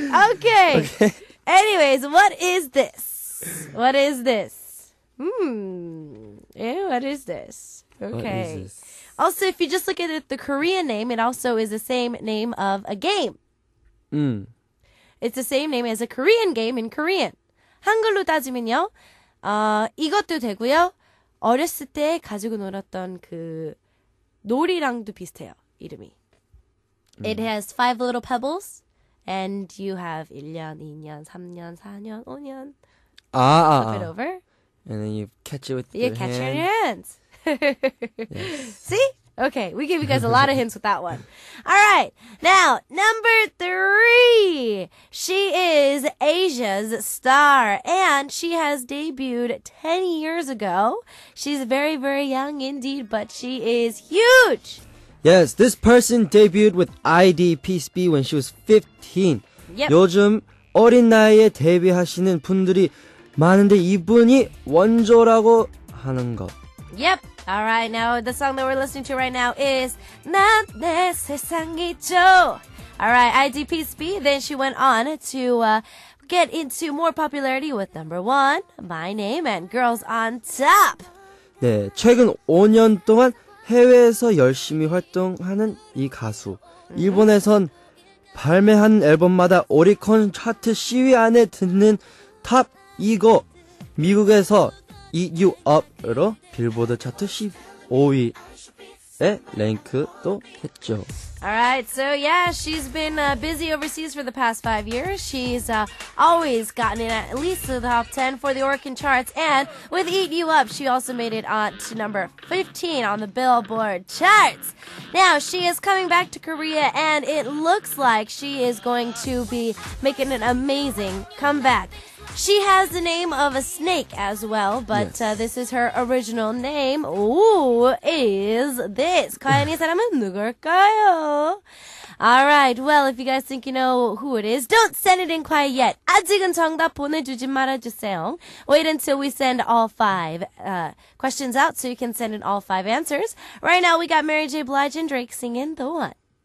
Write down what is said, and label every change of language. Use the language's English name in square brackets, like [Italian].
[English] Okay. Anyways, what is this? What is this? What is this? Okay. What is this? Also, if you just look at it, the Korean name, it also is the same name of a game. Mm. It's the same name as a Korean game in Korean. [Korean] 한글로 따지면요, 이것도 되고요. 어렸을 때 가지고 놀았던 그 놀이랑도 비슷해요, 이름이. [English] It has five little pebbles, and you have [Korean] 1년, 2년, 3년, 4년, 5년. [English] Flip it over. And then you catch it with your hands. You catch your hands. Yes. See? Okay, we gave you guys a lot of hints with that one. All right, now, number three. She is Asia's star, and she has debuted 10 years ago. She's very, very young indeed, but she is huge. Yes, this person debuted with ID PSB when she was 15. Yep. [Korean] 요즘 어린 나이에 데뷔하시는 분들이 많은데 이분이 원조라고 하는 것. [English] Yep. All right, now the song that we're listening to right now is 난 내 세상이죠. All right, IDPSB, then she went on to get into more popularity with number one, My Name and Girls on Top. [Korean] 네, 최근 5년 동안 해외에서 열심히 활동하는 이 가수. 일본에선 발매한 앨범마다 오리콘 차트 10위 안에 드는 탑 이거 미국에서 Eat You Up으로 빌보드 차트 15위에 랭크도 했죠. [English] Alright, so yeah, she's been busy overseas for the past 5 years. She's always gotten in at least the top 10 for the Oricon charts. And with Eat You Up, she also made it on to number 15 on the Billboard charts. Now, she is coming back to Korea, and it looks like she is going to be making an amazing comeback. She has the name of a snake as well, but yes. This is her original name. Who is this? [Korean] 과연 이 사람은 누굴까요? [English] All right. Well, if you guys think you know who it is, don't send it in quite yet. [Korean] 아직은 정답 보내주지 말아주세요. [English] Wait until we send all five questions out so you can send in all five answers. Right now, we got Mary J. Blige and Drake singing The One.